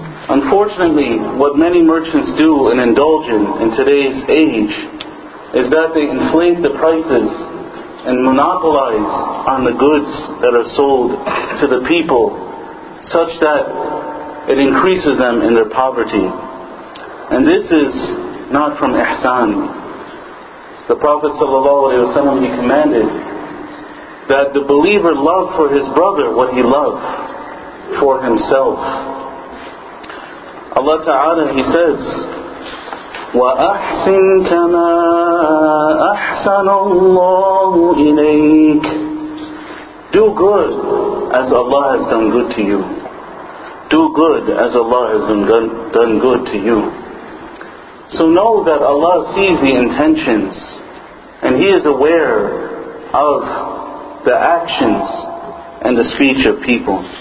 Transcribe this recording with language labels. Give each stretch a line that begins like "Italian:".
English: Unfortunately, what many merchants do and indulge in today's age is that they inflate the prices and monopolize on the goods that are sold to the people such that it increases them in their poverty. And this is not from Ihsan. The Prophet ﷺ, he commanded that the believer love for his brother what he loved for himself.
Arabic: Allah Ta'ala,
English: He says,
Arabic: وَأَحْسِنْ كَمَا أَحْسَنَ اللَّهُ إِلَيْكَ.
English: Do good as Allah has done good to you. Do good as Allah has done good to you. So know that Allah sees the intentions and He is aware of the actions and the speech of people.